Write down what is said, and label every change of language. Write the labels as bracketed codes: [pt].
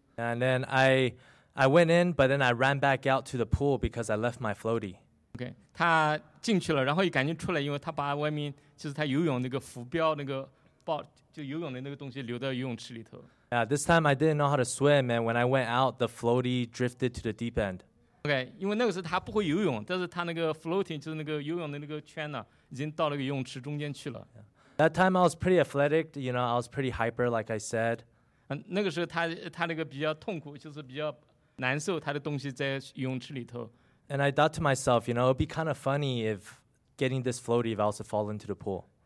[en] And then I went in, but then I ran back out to the pool because I left my floaty. [zh] Okay, 他进去了，然后也赶紧出来，因为他把外面就是他游泳那个浮标那个包，就游泳的那个东西留到游泳池里头。 [en] Yeah, this time I didn't know how to swim, and when I went out, the floaty drifted to the deep end. [zh] Okay, 因为那个时候他不会游泳，但是他那个floating就是那个游泳的那个圈呢，已经到了个游泳池中间去了。 [en] That time I was pretty athletic, you know, I was pretty hyper, like I said. [zh] 那个时候他那个比较痛苦，就是比较难受，他的东西在游泳池里头。 [en] And I thought to myself, you know, it'd be kind of funny if getting this floaty, if I was to fall into the pool.